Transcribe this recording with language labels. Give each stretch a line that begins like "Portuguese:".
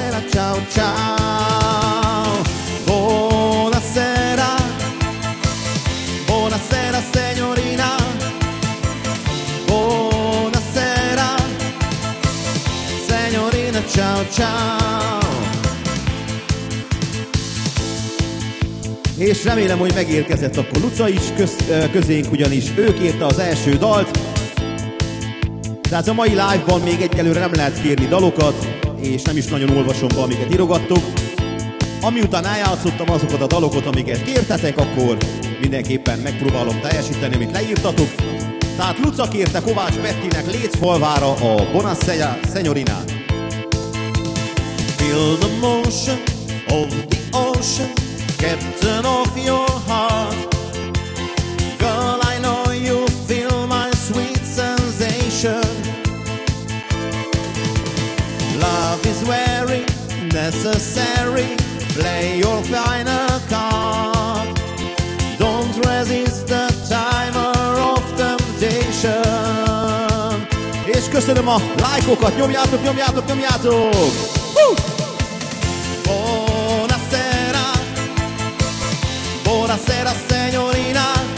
Italian: Ciao ciao, buonasera, buonasera signorina, buonasera, signorina ciao ciao.
Hungarian: És remélem, hogy megérkezett a Luca is közénk, ugyanis ő írta az első dalt. Tehát a mai live-ban még egyelőre nem lehet kérni dalokat, és nem is nagyon olvasom be, amiket írogattok. Amiután eljátszottam azokat a dalokat, amiket kértetek, akkor mindenképpen megpróbálom teljesíteni, amit leírtatok. Tehát Luca kérte Kovács Bettinek Létsz falvára a Bonacera Señorinát.
English: Feel the motion of the ocean, captain of your heart. Girl, I know you feel my sweet sensation. Love is very necessary, play your final card. Don't resist the timer of temptation.
Hungarian: És köszönöm a lájkokat, nyomjátok, nyomjátok, nyomjátok!
Italian: Buonasera, buonasera signorina.